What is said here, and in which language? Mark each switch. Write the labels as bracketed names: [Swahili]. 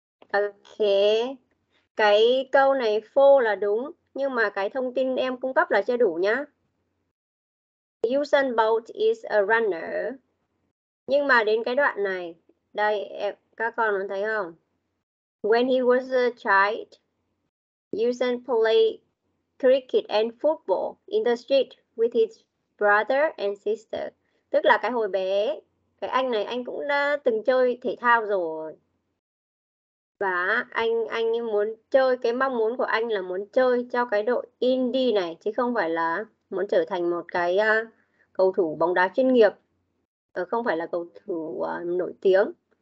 [Vietnamese] Okay. Cái câu này full là đúng, nhưng mà cái thông tin em cung cấp là chưa đủ nhá. [English] Usain Bolt is a runner. [Vietnamese] Nhưng mà đến cái đoạn này, đây em, các con có thấy không? [English] When he was a child, Usain played cricket and football in the street with his brother and sister. [Vietnamese] Tức là cái hồi bé, cái anh này anh cũng đã từng chơi thể thao rồi. Và anh muốn chơi, cái mong muốn của anh là muốn chơi cho cái đội Indy này, chứ không phải là muốn trở thành một cái cầu thủ bóng đá chuyên nghiệp, không phải là cầu thủ nổi tiếng.